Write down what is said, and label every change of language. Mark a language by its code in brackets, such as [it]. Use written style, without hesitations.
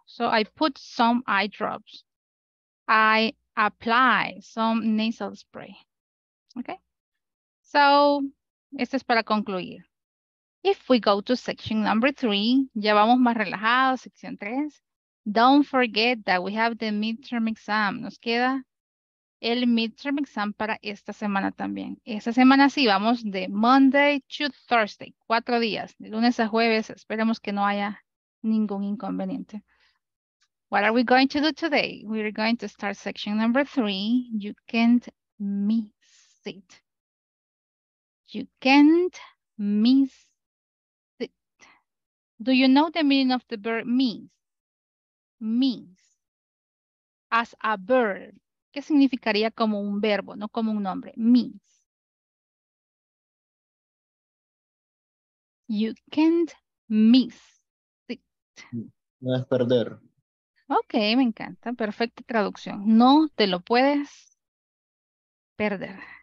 [en] So, I put some eye drops. I apply some nasal spray. Okay. [es] So, esto es para concluir. [en] If we go to section number 3, [es] ya vamos más relajados, sección 3. [en] Don't forget that we have the midterm exam. [es] Nos queda el midterm exam para esta semana también. Esta semana sí, vamos de [en] Monday to Thursday, [es] 4 días, de lunes a jueves. Esperemos que no haya ningún inconveniente. [en] What are we going to do today? We are going to start section number 3. You can't miss it. You can't miss it. Do you know the meaning of the verb miss? Miss. As a verb. [es] ¿Qué significaría como un verbo, no como un nombre? [en] Miss. You can't miss it. [es] No es perder. Ok, me encanta. Perfecta traducción. No te lo puedes perder.